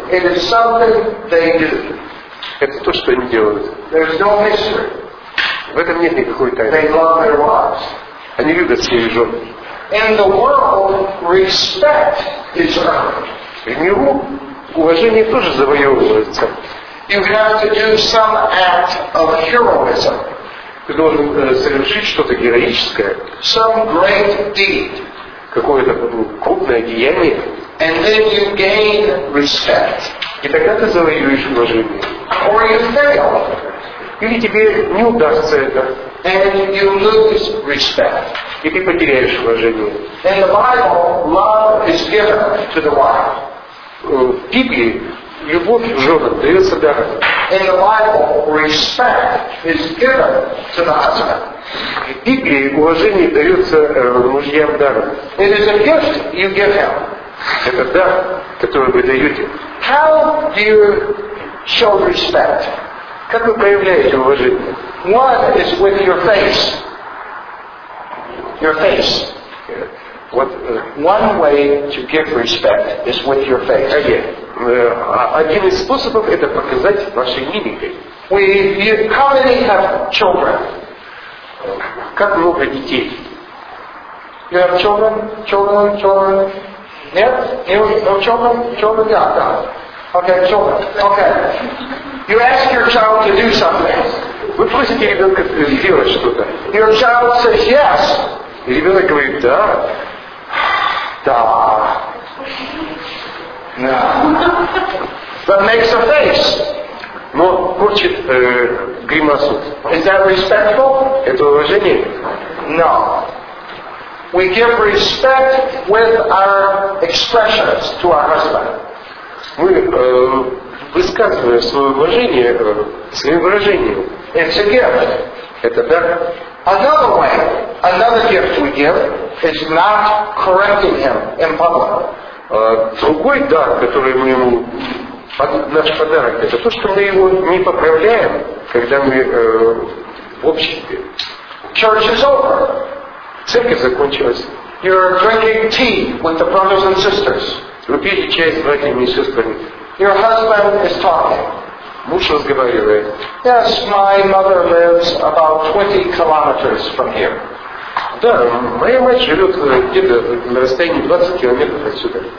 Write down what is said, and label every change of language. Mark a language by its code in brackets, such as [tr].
[en] It is something they do. [ru] Это то, что они делают. [en] There's no mystery. [ru] В этом нет никакой тайны. [en] They love their wives. [ru] Они любят свои жены. [en] And the world respect is earned. [ru] В миру уважение тоже завоевывается. [en] You have to do some act of heroism. [ru] Ты должен совершить что-то героическое. [en] Some great deed. [ru] Какое-то крупное деяние. [en] And then you gain respect. [ru] И тогда ты завоюешь уважение. [en] Or you fail. [ru] Или тебе не удастся это. [en] And you lose respect. [ru] И ты потеряешь уважение. [en] In the Bible, love is given to the wife. [ru] В Библии любовь женам дается даром. [en] In the Bible, respect is given to the husband. [ru] В Библии уважение дается мужьям даром. [en] It is a gift you give him. [ru] Это дар, который вы даете. [en] How do you show respect? [ru] Как вы проявляете уважение? [en] One is with your face. Your face. What, one way to give respect is with your face. [ru] Один из способов это показать вашей мимикой. [en] How many have children? [ru] Как много детей? [en] You have children? Children? Нет? No children? Children? [ru] Да, да. [en] Okay, children. Okay. You ask your child to do something. [ru] Вы просите ребенка сделать что-то. [en] Your child says yes. [ru] И ребенок говорит да. Да. No. [en] But makes a face. [ru] Но корчит гримасу. [en] Is that respectful? [ru] Это уважение? [en] No. We give respect with our expressions to our husband. [ru] Мы высказываем свое уважение своим выражением. [en] It's a gift. [ru] Это дар. [en] Another way, another gift we give is not correcting him in public. [ru] Другой дар, который мы ему наш подарок, это то, что мы его не поправляем, когда мы в обществе. [en] Church is over. [ru] Церковь закончилась. [en] You're drinking tea with the brothers and sisters. [ru] Вы пьете чай с братьями и сестрами. [en] Your husband is talking. [ru] Муж разговаривает. [en] Yes, my mother lives about 20 kilometers from here. [ru] Да, моя мать живет где-то на расстоянии 20 километров отсюда.